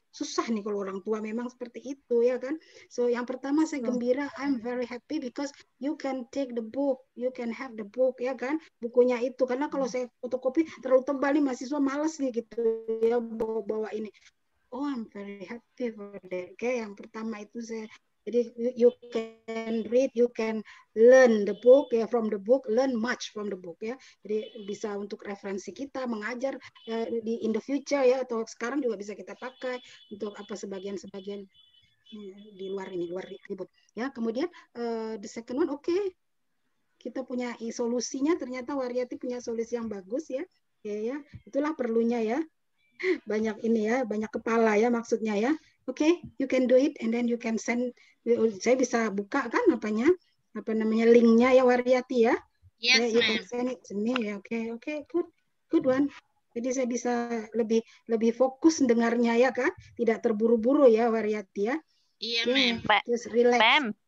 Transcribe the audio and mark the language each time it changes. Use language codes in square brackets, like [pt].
[id] Susah nih kalau orang tua memang seperti itu ya kan. So yang pertama saya gembira, I'm very happy because you can take the book, you can have the book ya kan. Bukunya itu, karena kalau saya fotokopi terlalu tebal nih, mahasiswa malas nih gitu ya bawa ini. [en] Oh, I'm very happy for that. Okay, yang pertama itu saya. Jadi you can read, you can learn the book ya, from the book, learn much from the book ya. [id] Jadi bisa untuk referensi kita mengajar di in the future ya, atau sekarang juga bisa kita pakai untuk apa sebagian di luar ini, luar ribut ya. Kemudian the second one, okay, kita punya solusinya. Ternyata Variety punya solusi yang bagus ya. Ya itulah perlunya ya, banyak ini ya, banyak kepala ya maksudnya ya. [en] Okay, you can do it, and then you can send. [id] Saya bisa buka kan apanya, apa namanya linknya ya, Variety ya. [en] Yes, yeah, you can send it to me. Okay, good one. [id] Jadi saya bisa lebih fokus dengarnya ya kan, tidak terburu-buru ya, Variety ya. Iya, yeah, [en] okay. Just relax. Mem.